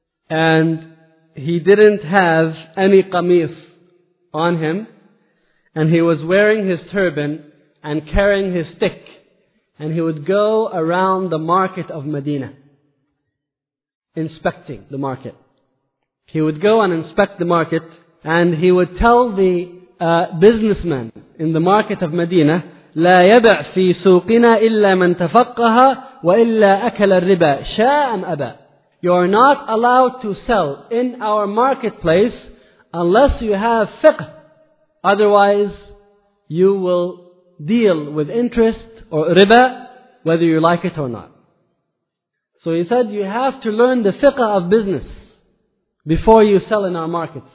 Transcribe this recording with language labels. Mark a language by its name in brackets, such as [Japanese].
[English] And he didn't have any qamis on him, and he was wearing his turban and carrying his stick, and he would go around the market of Medina inspecting the market. He would go and inspect the market, and he would tell the businessmen in the market of Medina, [Arabic] لا يبع في سوقنا إلا من تفقها وإلا أكل الربا شاء أم أبا. [English] You are not allowed to sell in our marketplace unless you have fiqh. Otherwise, you will deal with interest or riba whether you like it or not. So he said, you have to learn the fiqh of business before you sell in our markets.